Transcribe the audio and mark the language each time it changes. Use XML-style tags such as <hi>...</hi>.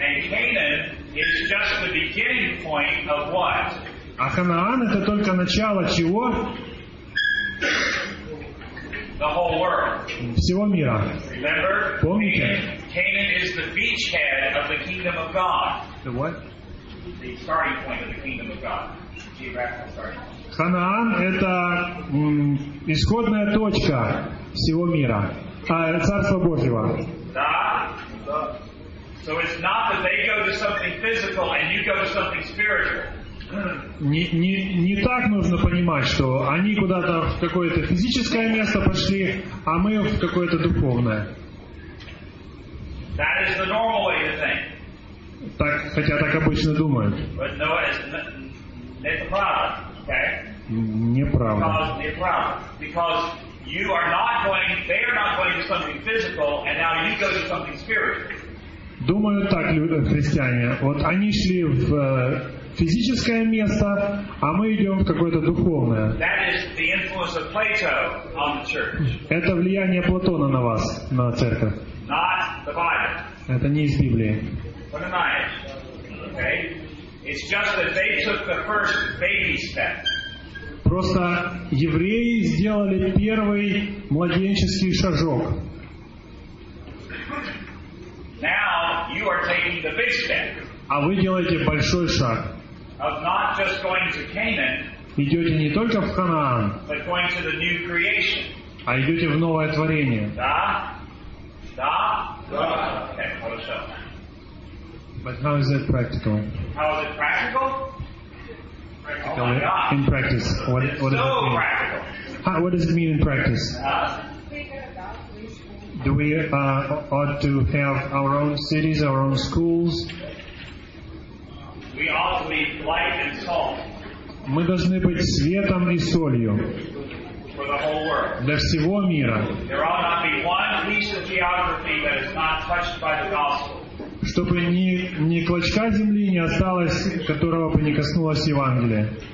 <en>And Canaan is just the beginning point of what?</en> <ru>А Канаан — это только начало чего?</ru> <en>The whole world.</en> <ru>Всего мира.</ru> <en>Remember?</en> <ru>Помните?</ru> <en>Canaan is the beachhead of the kingdom of God. The what? The starting point of the kingdom of God. Geographical starting point.</en> <ru>Ханаан – это исходная точка всего мира, Царства Божьего. Да.</ru> <en>So it's not that they go to something physical and you go to something spiritual.</en> <ru>Не так нужно понимать, что они куда-то в какое-то физическое место пошли, а мы в какое-то духовное.</ru> <en>That is the normal way to think.</en> <ru>Так, хотя так обычно думают.</ru> <en>But no, it's not proud, okay?</en> <ru>Неправда.</ru> <en>Because you are not going, they are not going to something physical, and now you go to something spiritual.</en> <ru>Думаю так, люди, христиане. Вот они шли в физическое место, а мы идем в какое-то духовное.</ru> <en>That is the influence of Plato on the church.</en> <ru>Это влияние Платона на вас, на церковь.</ru> <en>Not the Bible.</en> <ru>Это не из Библии.</ru> <en>What am I? Okay. It's just that they took the first baby step.</en> <ru>Просто евреи сделали первый младенческий шажок.</ru> <en>Now you are taking the big step.</en> <ru>А вы делаете большой шаг.</ru> <en>Of not just going to Canaan,</en> <ru>идете не только в Ханаан,</ru> <en>but going to the new creation.</en> <ru>А идете в новое творение. Да? Да? Да.</ru> <en>Okay, close up. But how is that practical? How is it practical? Oh my God. In practice, what it's does so it mean? Practical. What does it mean in practice? Do we ought to have our own cities, our own schools? We ought to be light and salt.</en> <ru>Мы должны быть светом и солью.</ru> <en>For the whole world.</en> <ru>Для всего мира.</ru> <en>There ought not be one piece of geography that is not touched by the gospel.</en> <ru>Чтобы ни клочка земли не осталось, которого бы не коснулось Евангелие.</ru>